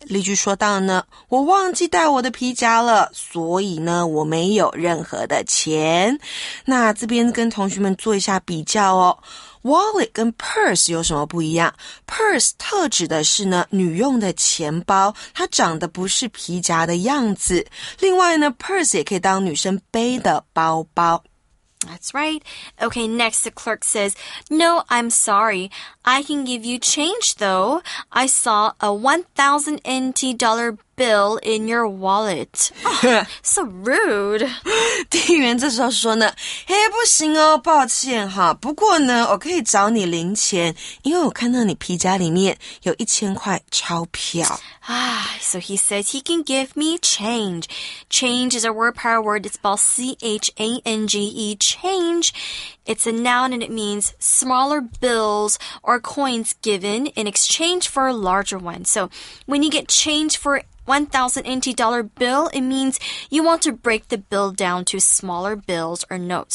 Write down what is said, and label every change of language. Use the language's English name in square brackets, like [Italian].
[Chinese] 例句说到呢，我忘记带我的皮夹了，所以呢，我没有任何的钱。那这边跟同学们做一下比较哦。 Wallet 跟 purse 有什么不一样？ Purse 特指的是呢，女用的钱包，它长得不是皮夹的样子。另外呢， purse 也可以当女生背的包包。 [English] That's right. Okay, next the clerk says, No, I'm sorry. I can give you change, though. I saw a $1,000 bill in your wallet. Oh, so rude. [Chinese] 店员这时候说呢，嘿，不行哦，抱歉哈。不过呢，我可以找你零钱，因为我看到你皮夹里面有1000块钞票。 [English] So he says he can give me change. Change is a word pair word. It's spelled C-H-A-N-G-E, change. It's a noun and it means smaller bills or coins given in exchange for a larger one. So when you get change for $1,000 bill, it means you want to break the bill down to smaller bills or notes.